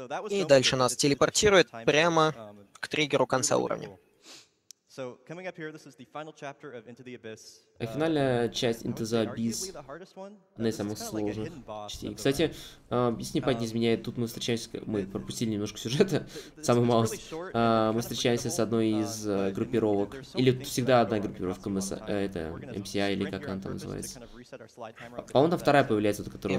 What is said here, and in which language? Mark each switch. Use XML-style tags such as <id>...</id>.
<ru>И дальше нас телепортирует прямо к триггеру конца уровня.</ru> <en>So coming up here, this is the final chapter of Into the Abyss.</en> <ru>Финальная часть Into the Abyss, одна из самых сложных частей. Кстати, если не память не изменяет, тут мы встречаемся, мы пропустили немножко сюжета, самую малость. Мы встречаемся с одной из группировок, или всегда одна группировка МС, это MCI или как она там называется. По-моему, там вторая появляется, которая...</ru>